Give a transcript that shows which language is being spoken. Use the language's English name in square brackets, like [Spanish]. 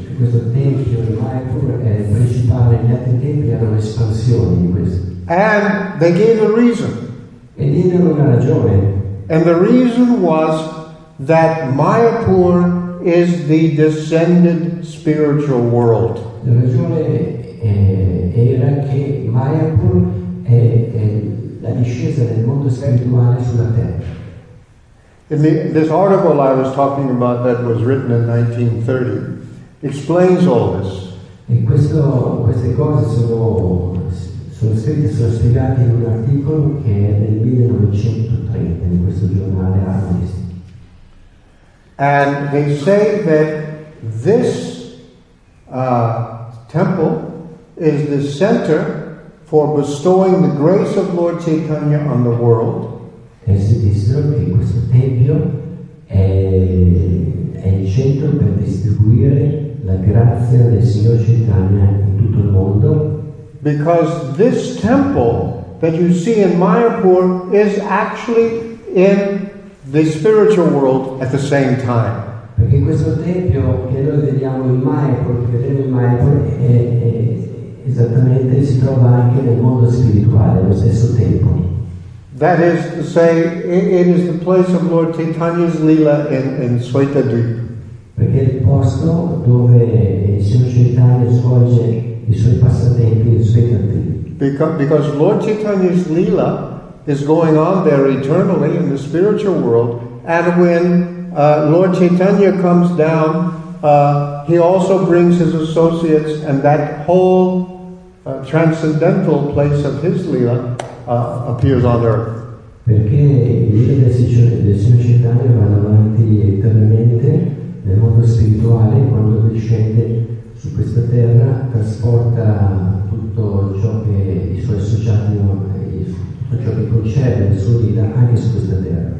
[English] And they gave a reason. And the reason was that Mayapur is the descended spiritual world. [Italian] La ragione era che Mayapur è la discesa del mondo spirituale sulla terra. [English] In this article I was talking about that was written in 1930 explains all this. [Italian] E queste cose sono scritte, sono spiegate in un articolo che è del 1930 in questo giornale Harmonist. [English] And they say that this temple is the center for bestowing the grace of Lord Chaitanya on the world. [Italian] E si disse che questo tempio è il centro per distribuire la grazia del Signore Chaitanya in tutto il mondo. [English] Because this temple that you see in Mayapur is actually in the spiritual world at the same time. [Italian] Perché questo tempio che noi vediamo in Mayapur, che vediamo in Mayapur, esattamente si trova anche nel mondo spirituale allo stesso tempo. [English] That is to say, it is the place of Lord Chaitanya's Leela in Svetadvip. [Italian] Perché è il posto dove il Signore Chaitanya svolge i suoi passatempi in Svetadvip. [English] Because Lord Chaitanya's Leela is going on there eternally in the spiritual world, and when Lord Chaitanya comes down, he also brings his associates, and that whole transcendental place of his Leela appears on earth. [Italian] Perché il Signore Chaitanya va avanti eternamente nel mondo spirituale, quando discende su questa terra, trasporta tutto ciò che i suoi associati ciò che concede il suo Leela anche su questa terra.